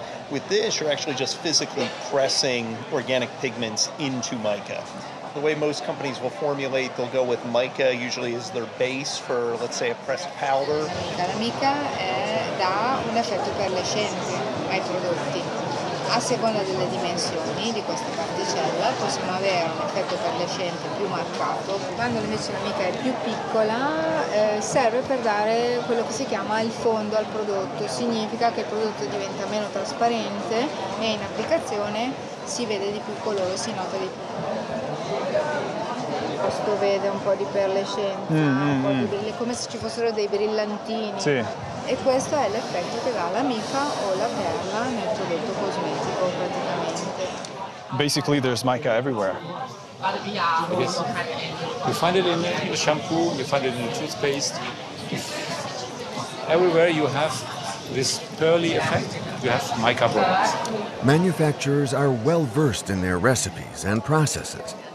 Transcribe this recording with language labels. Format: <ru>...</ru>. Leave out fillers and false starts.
<en>With this, you're actually just physically pressing organic pigments into mica. The way most companies will formulate, they'll go with mica usually as their base for, let's say, a pressed powder.</en> <it>La mica dà un effetto pearlescente ai prodotti. A seconda delle dimensioni di questa particella possiamo avere un effetto pearlescente più marcato. Quando invece la mica è più piccola, serve per dare quello che si chiama il fondo al prodotto. Significa che il prodotto diventa meno trasparente e in applicazione si vede di più colore, si nota di più. Questo vede un po' di pearlescenza, un po' di brille, come se ci fossero dei brillantini. Sì. E questo è l'effetto che dà la mica o la perla nel prodotto cosmetico praticamente.</it> <en>Basically there's mica everywhere. Yes. You find it in the shampoo, you find it in the toothpaste. Everywhere you have this pearly effect, you have mica products. Manufacturers are well versed in their recipes and processes.</en>